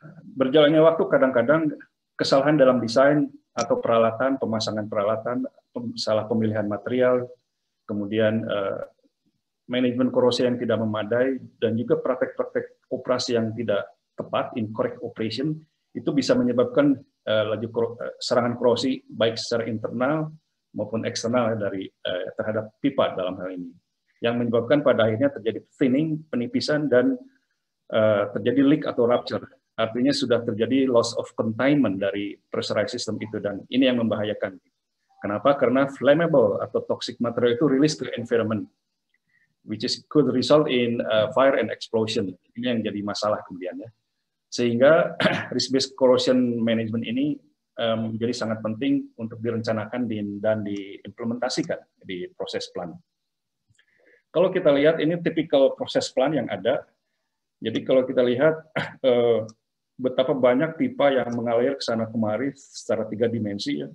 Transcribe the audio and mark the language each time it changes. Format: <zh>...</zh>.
<id>Berjalannya waktu kadang-kadang kesalahan dalam desain atau peralatan, pemasangan peralatan, salah pemilihan material, kemudian manajemen korosi yang tidak memadai, dan juga praktek-praktek operasi yang tidak tepat,</id> <en>incorrect operation,</en> <id>itu bisa menyebabkan serangan korosi baik secara internal maupun eksternal dari terhadap pipa dalam hal ini, yang menyebabkan pada akhirnya terjadi thinning, penipisan, dan terjadi leak atau rupture. Artinya sudah terjadi</id> <en>loss of containment</en> <id>dari pressurized system itu, dan ini yang membahayakan. Kenapa? Karena</id> <en>flammable</en> <id>atau</id> <en>toxic material</en> <id>itu</id> <en>release to environment, which is could result in fire and explosion.</en> <id>Ini yang jadi masalah kemudian ya. Sehingga risk-based corrosion management ini menjadi sangat penting untuk direncanakan dan diimplementasikan di proses plan. Kalau kita lihat, ini typical proses plan yang ada. Jadi kalau kita lihat betapa banyak pipa yang mengalir ke sana kemari secara tiga dimensi ya.</id>